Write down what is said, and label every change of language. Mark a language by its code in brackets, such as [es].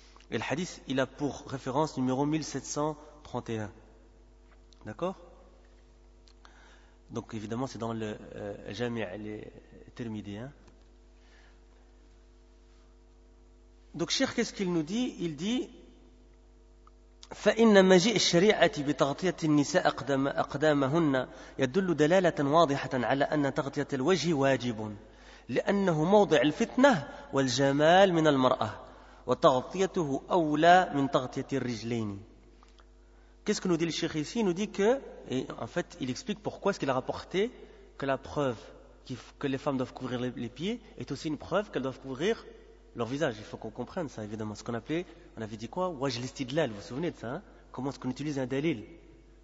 [fr] Et le hadith, il a pour référence numéro 1731. D'accord ? Donc évidemment, c'est dans le Jami' al-Tirmidhi. Hein ? Donc, Cheikh, qu'est-ce qu'il nous dit ? Il dit, [ar] فإن مجيء الشريعة بتغطية النساء أقدامهن يدل دلالة واضحة على أن تغطية الوجه واجب لأنه موضع الفتنة والجمال من المرأة وتغطيته أولى من تغطية الرجلين. [fr] Qu'est-ce que nous dit le Cheikh ici ? Il nous dit que, et en fait, il explique pourquoi est-ce qu'il a rapporté que la preuve que les femmes doivent couvrir les pieds est aussi une preuve qu'elles doivent couvrir leur visage, il faut qu'on comprenne ça, évidemment. Ce qu'on appelait, on avait dit quoi ? Wajh l'istidlal, vous vous souvenez de ça, hein ? Comment est-ce qu'on utilise un dalil ?